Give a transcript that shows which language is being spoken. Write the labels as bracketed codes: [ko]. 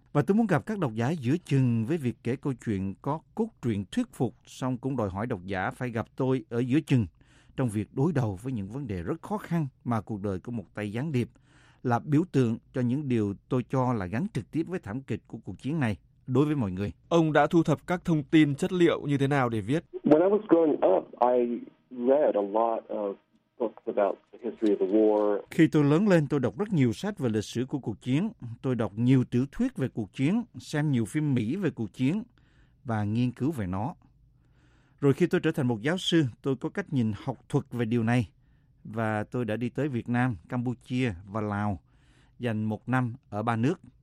[vi] Và tôi muốn gặp các độc giả giữa chừng với việc kể câu chuyện có cốt truyện thuyết phục, song cũng đòi hỏi độc giả phải gặp tôi ở giữa chừng trong việc đối đầu với những vấn đề rất khó khăn mà cuộc đời của một tay gián điệp là biểu tượng cho những điều tôi cho là gắn trực tiếp với thảm kịch của cuộc chiến này. Đối với mọi người, ông đã thu thập các thông tin chất liệu như thế nào để viết? [en] When I was growing up, I read a lot of books about the history of the war. [vi] Khi tôi lớn lên, tôi đọc rất nhiều sách về lịch sử của cuộc chiến. Tôi đọc nhiều tiểu thuyết về cuộc chiến, xem nhiều phim Mỹ về cuộc chiến và nghiên cứu về nó. Rồi khi tôi trở thành một giáo sư, tôi có cách nhìn học thuật về điều này. Và tôi đã đi tới Việt Nam, Campuchia và Lào, dành một năm ở ba nước.